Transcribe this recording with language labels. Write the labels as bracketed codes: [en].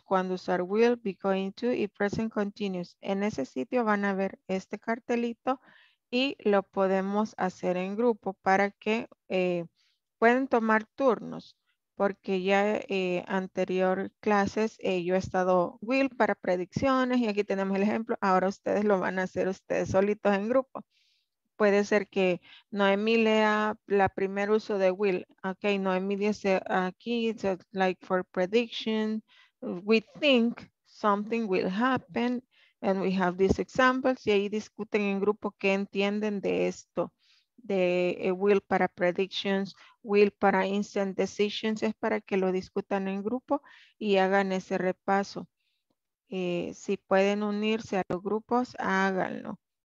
[es] Cuando usar will, be going to y present continuous. En ese sitio van a ver este cartelito y lo podemos hacer en grupo para que puedan tomar turnos. Porque ya anterior clases yo he estado will para predicciones y aquí tenemos el ejemplo. Ahora ustedes lo van a hacer ustedes solitos en grupo. Puede ser que Noemí lea la primer uso de will. [en] Ok, Noemí [es] dice aquí, [en] so like for prediction, we think something will happen and we have these examples. [es] Y ahí discuten en grupo qué entienden de esto, de will para predictions, will para instant decisions. Es para que lo discutan en grupo y hagan ese repaso. Si pueden unirse a los grupos, háganlo.